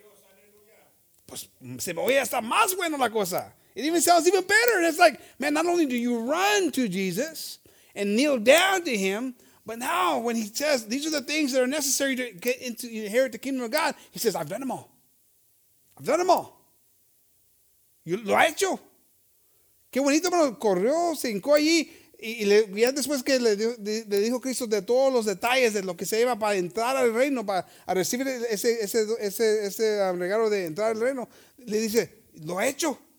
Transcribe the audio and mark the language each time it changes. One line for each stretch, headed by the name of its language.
Spanish: Gloria a Dios, aleluya. Pues se me oye hasta más bueno la cosa.
English: It even sounds even better. And it's like, man, not only do you run to Jesus and kneel down to him, but now when he says these are the things that are necessary to get into inherit the kingdom of God, he says, I've done them all. I've done them all. You
Spanish: lo ha hecho. Qué bonito, hermano, corrió, se hincó allí y ya después que le dijo Cristo de todos los detalles de lo que se iba para entrar al reino, para recibir ese regalo de entrar al reino, le dice, lo ha hecho.